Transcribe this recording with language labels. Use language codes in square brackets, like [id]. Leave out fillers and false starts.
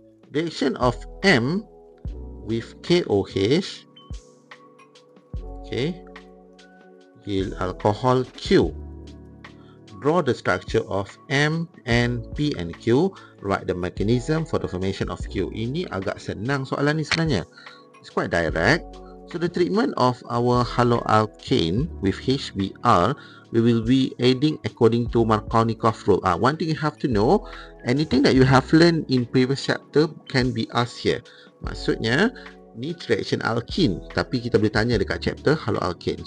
[en] Reaction of M with KOH, okay, yield alcohol Q. Draw the structure of M, N, P and Q. Write the mechanism for the formation of Q. [ms] Ini agak senang soalan ni sebenarnya. [en] It's quite direct. So the treatment of our haloalkane with HBr, we will be adding according to Markovnikov rule. One thing you have to know, anything that you have learned in previous chapter can be asked here. [ms] Maksudnya, ni reaction alkene. Tapi kita boleh tanya dekat chapter haloalkane.